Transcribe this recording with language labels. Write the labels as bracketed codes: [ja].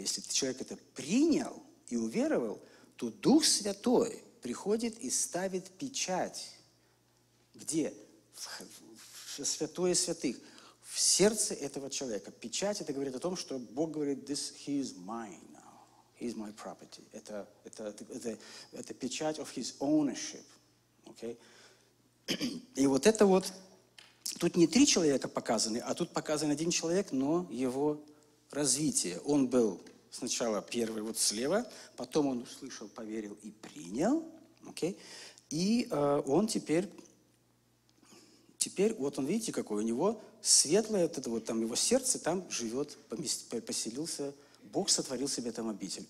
[ru] Если человек это принял и уверовал, то Дух Святой приходит и ставит печать. Где? В святое святых. В сердце этого человека. Печать, это говорит о том, что Бог говорит, [en] this, he is mine now. He is my property. [ru] Это печать [en] of his ownership. Okay? [ru] И вот это вот, тут не три человека показаны, а тут показан один человек, но его развитие. Он был сначала первый вот слева, потом он услышал, поверил и принял. Okay? И он теперь, вот он, видите, какой у него светлое, это вот там его сердце, там живет, поселился, Бог сотворил себе там обитель.